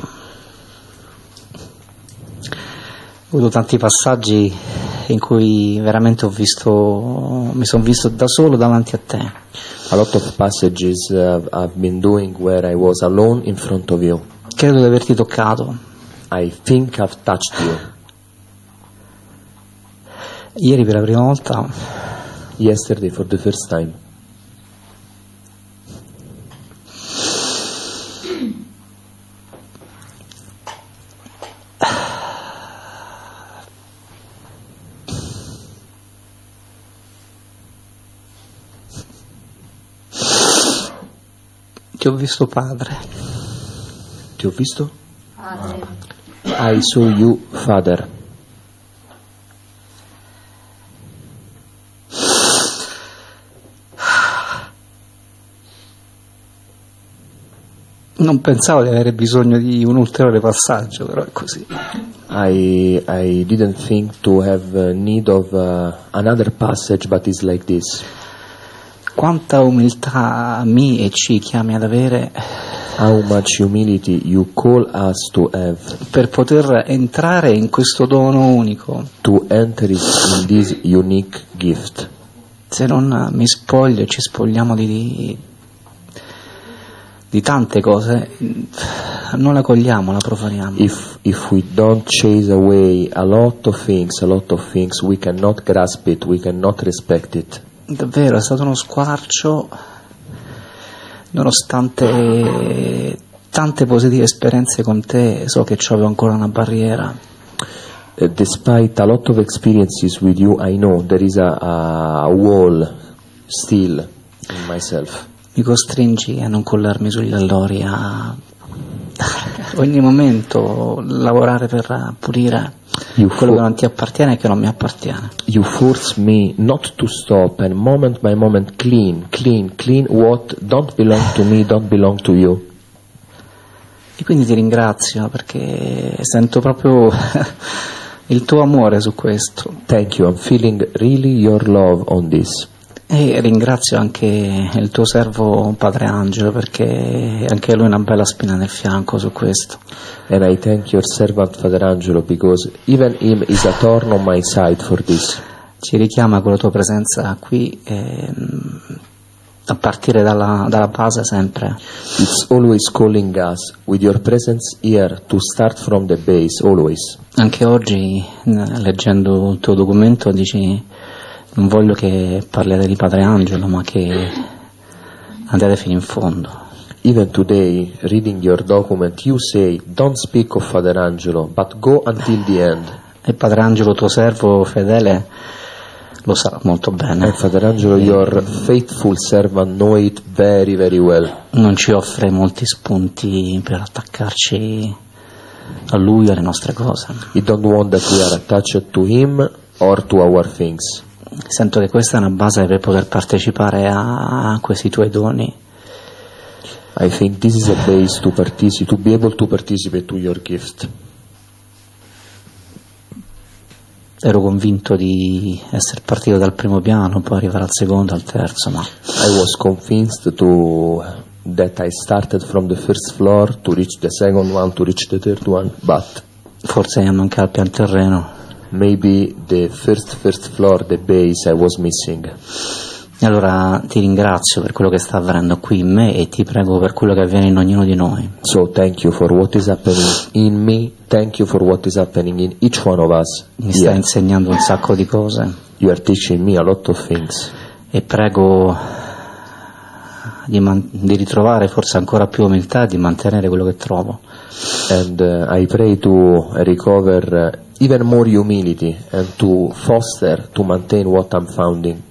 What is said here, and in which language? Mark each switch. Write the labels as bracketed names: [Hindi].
[Italian] Ho avuto tanti passaggi in cui veramente ho visto, mi sono visto da solo davanti a te. [English] A lot of passages I've been doing where I was alone in front of you. [Italian] Credo di averti toccato. [English] I think I've touched you. [Italian] Ieri per la prima volta [English] yesterday for the first time. [Italian] Ti ho visto padre. Ti ho visto? Padre. [English] I saw you, father. [Italian] Non pensavo di avere bisogno di un ulteriore passaggio, però è così. [English] I didn't think to have need of another passage, but it's like this. [Italian] Quanta umiltà mi e ci chiami ad avere. [English] How much humility you call us to have. [Italian] Per poter entrare in questo dono unico. [English] To enter in this unique gift. [Italian] Se non mi spoglio, ci spogliamo di tante cose, non la cogliamo, la profaniamo. [English] If we don't chase away a lot of things, we cannot grasp it, we cannot respect it. [Italian] Davvero, è stato uno squarcio, nonostante tante positive esperienze con te, so che c'avevo ancora una barriera. [English] Despite a lot of experiences with you, I know there is a wall still in myself. [Italian] Mi costringi a non collarmi sugli allori, a ogni momento lavorare per pulire quello che non ti appartiene e che non mi appartiene. [English] You force me not to stop and moment by moment clean what don't belong to me, don't belong to you. [Italian] E quindi ti ringrazio perché sento proprio il tuo amore su questo. [English] Thank you, I'm feeling really your love on this. [Italian] E ringrazio anche il tuo servo Padre Angelo perché anche lui ha una bella spina nel fianco su questo. [English] And I thank your servant Father Angelo because even him is a thorn on my side for this. [Italian] Ci richiama con la tua presenza qui a partire dalla base sempre. [English] It's always calling us with your presence here to start from the base always. [Italian] Anche oggi leggendo il tuo documento dici: non voglio che parlate di Padre Angelo, ma che andate fino in fondo. [English] Even today, reading your document, you say, don't speak of Father Angelo, but go until the end. [Italian] E Padre Angelo, tuo servo fedele, lo sa molto bene. [English] And Father Angelo, your faithful servant, know it very, very well. [Italian] Non ci offre molti spunti per attaccarci a lui e alle nostre cose. [English] He don't want that we are attached to him or to our things. [Italian] Sento che questa è una base per poter partecipare a questi tuoi doni. [English] I think this is a base to be able to participate to your gift. [Italian] Ero convinto di essere partito dal primo piano, poi arrivare al secondo, al terzo, ma [English] I was convinced that I started from the first floor to reach the second one, to reach the third one, but [Italian] forse hanno anche al pian terreno. [English] Maybe the first floor, the base, I was missing. [Italian] Allora ti ringrazio per quello che sta avvenendo qui in me e ti prego per quello che avviene in ognuno di noi. [English] So thank you for what is happening in me, thank you for what is happening in each one of us. [Italian] Mi stai insegnando un sacco di cose. [English] You are teaching me a lot of things. [Italian] E prego di ritrovare forse ancora più umiltà, di mantenere quello che trovo. [English] And I pray to recover even more humility and to foster, to maintain what I'm founding.